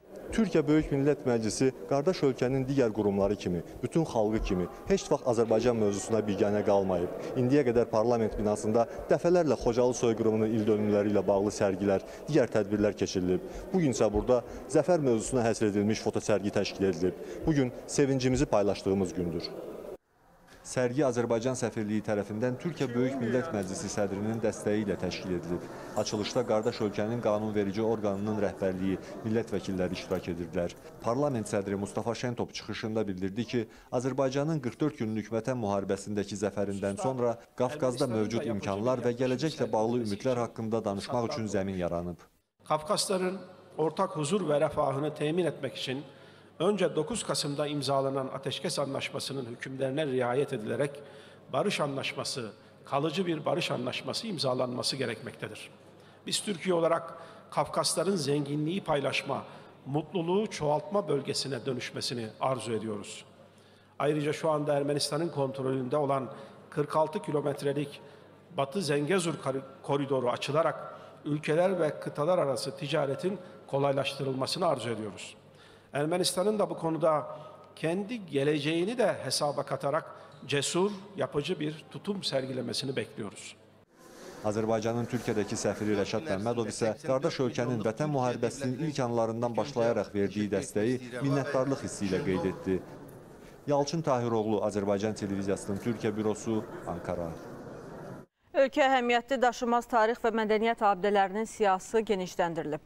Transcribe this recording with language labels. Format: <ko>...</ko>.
<az>Türkiyə Böyük Millət Məclisi qardaş ölkənin digər qurumları kimi, bütün xalqı kimi heç vaxt Azərbaycan mövzusuna biganə qalmayıb. İndiyə qədər parlament binasında dəfələrlə Xocalı soyqırımının il dönümləri ilə bağlı sərgilər, digər tədbirlər keçirilib. Bugün isə burada zəfər mövzusuna həsr edilmiş fotosərgi təşkil edilib. Bugün sevincimizi paylaşdığımız gündür. Sərgi Azərbaycan səfirliyi tərəfindən Türkiyə Böyük Millət Məclisi sədrinin dəstəyi ilə təşkil edilib. Açılışda qardaş ölkənin qanunverici orqanının rəhbərliyi millət vəkilləri iştirak edirdilər. Parlament sədri Mustafa Şentop çıxışında bildirdi ki, Azərbaycanın 44 günlük vətən müharibəsindəki zəfərindən sonra Qafqazda mövcud imkanlar və gələcəklə bağlı ümidlər haqqında danışmaq üçün zəmin yaranıb. Qafqazların ortaq huzur və rəfahını təmin etmək üçün</az> <tr>önce 9 Kasım'da imzalanan Ateşkes Anlaşması'nın hükümlerine riayet edilerek barış anlaşması, kalıcı bir barış anlaşması imzalanması gerekmektedir. Biz Türkiye olarak Kafkasların zenginliği paylaşma, mutluluğu çoğaltma bölgesine dönüşmesini arzu ediyoruz. Ayrıca şu anda Ermenistan'ın kontrolünde olan 46 kilometrelik Batı Zengezur koridoru açılarak ülkeler ve kıtalar arası ticaretin kolaylaştırılmasını arzu ediyoruz. Ermenistan'ın da bu konuda kendi geleceğini de hesaba katarak cesur, yapıcı bir tutum sergilemesini bekliyoruz.</tr> <az>Azərbaycanın</az> <tr>Türkiye'deki</tr> <az>səfiri Rəşad Məmmədov isə qardaş ölkənin vətən müharibəsinin ilk anlarından başlayaraq verdiyi dəstəyi minnətdarlıq hissi ilə qeyd etdi. Yalçın Tahiroğlu, Azərbaycan Televiziyasının Türkiye Bürosu, Ankara. Ölkə əhəmiyyətli daşınmaz tarix və mədəniyyət abidələrinin siyahısı genişləndirilib.</az>